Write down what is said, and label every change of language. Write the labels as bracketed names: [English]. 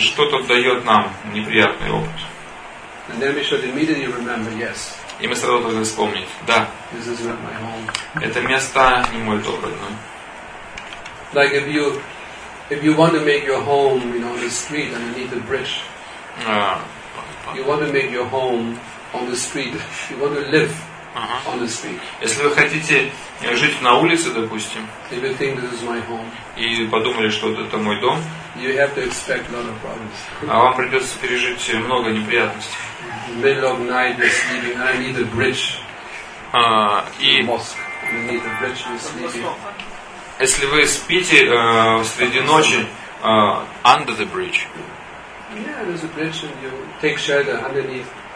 [Russian] Что-то дает нам неприятный опыт. [English] And then we should immediately remember, yes. [Russian] И мы сразу должны вспомнить, да, [English] this is not my home. [Russian] Это место не мой дом родной. [English] Like if you want to make your home, you know, on the street underneath the bridge. You want to make your home on the street. You want to live on the street. [Russian] Если вы хотите жить на улице, допустим. [English] If you think this is my home. [Russian] И подумали, что вот это мой дом. [English] You have to expect a lot of problems. [Russian] А вам придется пережить много неприятностей. [English] In the middle of night, you're sleeping underneath the bridge. In the mosque, underneath the bridge, you're sleeping. [Russian] Если вы спите среди ночи [English] under the bridge. Yeah, there's a bridge and you take shelter underneath.